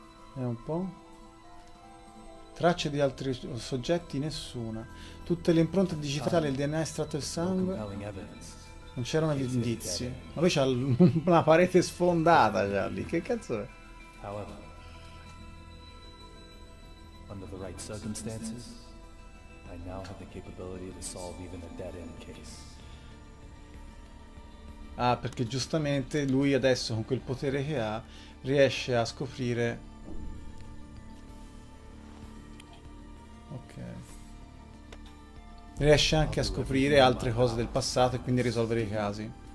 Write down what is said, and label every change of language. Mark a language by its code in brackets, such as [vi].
[it] Vediamo un po'. Tracce di altri soggetti? Nessuna. Tutte le impronte digitali, il DNA estratto del sangue. Non c'erano gli indizi. Ma lui c'ha una parete sfondata già lì, che cazzo è? [en] Under the right circumstances, I now have the capability to solve even a dead end case. [it] Ah, perché giustamente lui adesso con quel potere che ha riesce a scoprire. Ok. Riesce anche a scoprire altre cose del passato e quindi a risolvere i casi.